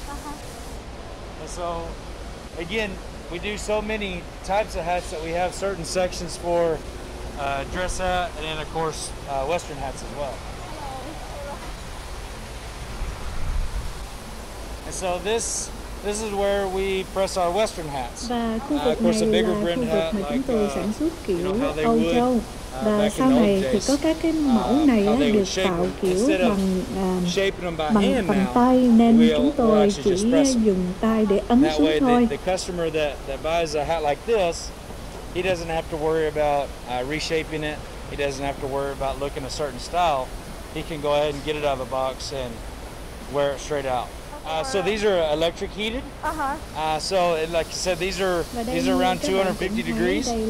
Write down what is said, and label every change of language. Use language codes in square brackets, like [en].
[en] Uh-huh. And so, again, we do so many types of hats that we have certain sections for dress hat, and then of course western hats as well. And so this is where we press our western hats. Of course, a bigger brim hat like they would. [vi] Và sau này thì có các cái mẫu này được tạo kiểu bằng phần tay, nên chúng tôi chỉ dùng tay để ấn xuống thôi. [en] The customer that buys a hat like this, he doesn't have to worry about reshaping it. He doesn't have to worry about looking a certain style. He can go ahead and get it out of the box and wear it straight out. So these are electric heated. Uh-huh. So like you said, these are around 250 degrees.